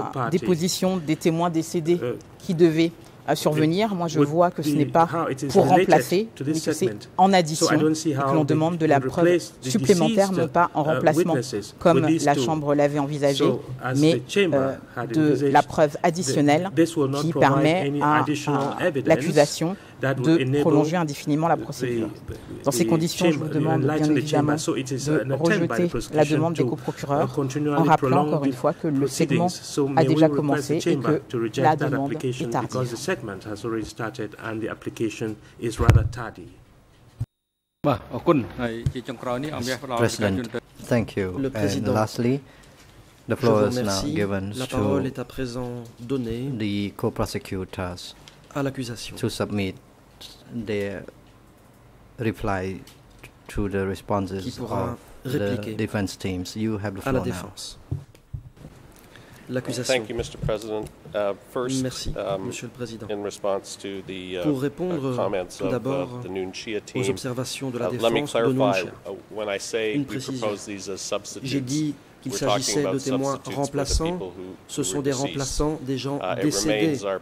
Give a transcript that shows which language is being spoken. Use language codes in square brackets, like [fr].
[fr] dépositions des témoins décédés qui devaient à survenir, moi je vois que ce n'est pas pour remplacer, mais que c'est en addition et que l'on demande de la preuve supplémentaire, non pas en remplacement comme la Chambre l'avait envisagé, mais de la preuve additionnelle qui permet à l'accusation de prolonger indéfiniment la procédure. Dans ces conditions, je vous demande bien évidemment de rejeter la demande des coprocureurs en rappelant encore une fois que le segment a déjà commencé et que la demande est tardive. [en] Segment has already started and the application is rather tardy. President, thank you. And lastly, the floor is now given to the co-prosecutors to submit their reply to the responses of the defense teams. You have the floor now. Thank you, Mr. President. First, [fr] merci, Monsieur le Président. [en] In response to the, [fr] pour répondre tout d'abord [en] the Nun Chia team, [fr] aux observations de la défense de Nun Chia, [en] when I say we propose these as substitutes, [fr] j'ai dit qu'il s'agissait de témoins remplaçants, ce sont des remplaçants des gens décédés.